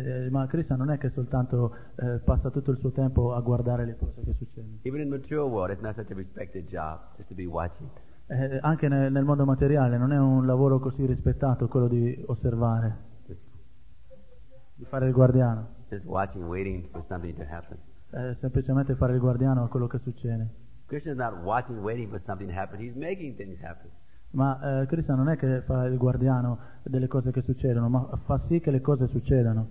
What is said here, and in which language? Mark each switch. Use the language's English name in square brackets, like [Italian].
[Italian] Ma Krishna non è che soltanto passa tutto il suo tempo a guardare le cose che succedono. [English] Even in mature world, it's not such a respected job just to be watching. [Italian] Anche nel mondo materiale non è un lavoro così rispettato quello di osservare, di fare il guardiano. [English] Just watching, waiting for something to happen. [Italian] Semplicemente fare il guardiano a quello che succede. [English] Krishna is not watching, waiting for something to happen. He's making things happen. [Italian] Ma Krishna non è che fa il guardiano delle cose che succedono, ma fa sì che le cose succedano.